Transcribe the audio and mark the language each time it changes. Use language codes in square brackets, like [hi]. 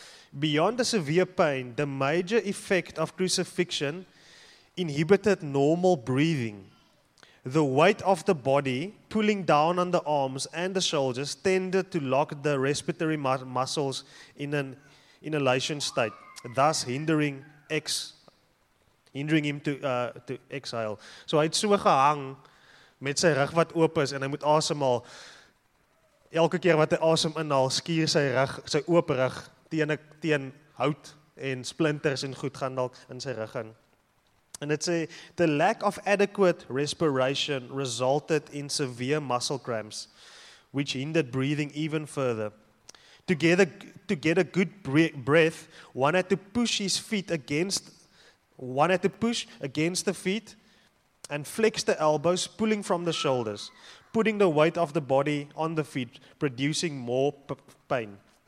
[en] Beyond the severe pain, the major effect of crucifixion inhibited normal breathing. The weight of the body pulling down on the arms and the shoulders tended to lock the respiratory muscles in an inhalation state. Thus hindering him to exhale. [af] So hy het so gehang met sy rug wat oop is en hy moet asemhaal. Elke keer wat hy asem inhaal, skier sy rug, sy oop rug teen hout en splinters en goed gaan dalk in sy rug in. En dit sê, [en] the lack of adequate respiration resulted in severe muscle cramps, which hindered breathing even further. To get a good breath, one had to push his feet against, one had to push against the feet and flex the elbows, pulling from the shoulders, putting the weight of the body on the feet, producing more pain.